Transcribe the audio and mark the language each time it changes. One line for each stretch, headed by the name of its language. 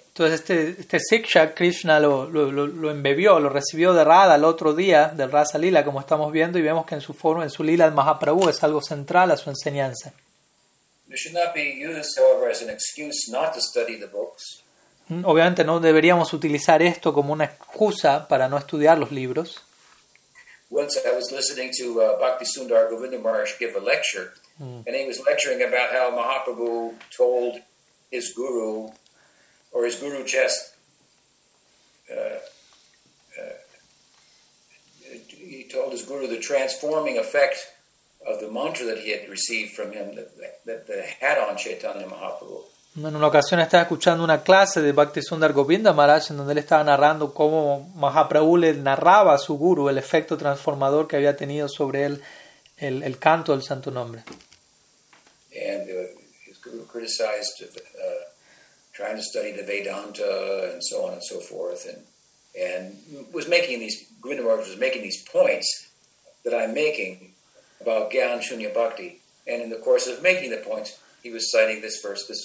Spanish: Entonces este siksha Krishna lo embebió, lo recibió de Radha el otro día del Rasa Lila, como estamos viendo, y vemos que en su forma, en su lila de Mahaprabhu es algo central a su enseñanza.
English: should not be used, however, as an excuse not to study the books.
Spanish: Obviamente no deberíamos utilizar esto como una excusa para no estudiar los libros.
English: Once I was listening to Bhaktisundar Govindamarsh give a lecture, and he was lecturing about how Mahaprabhu told his guru, or his guru just he told his guru the transforming effect of the mantra that he had received from him that had on Chaitanya Mahaprabhu.
Spanish: En una ocasión estaba escuchando una clase de Bhaktisundar Govinda Maharaj en donde él estaba narrando cómo Mahaprabhu le narraba a su guru el efecto transformador que había tenido sobre él el canto del santo nombre.
English: And his guru criticized trying to study the Vedanta and so on and so forth and was making these, Govinda Maharaj was making these points that I'm making about Gyan Shunya Bhakti, and in the course of making the points he was citing this verse.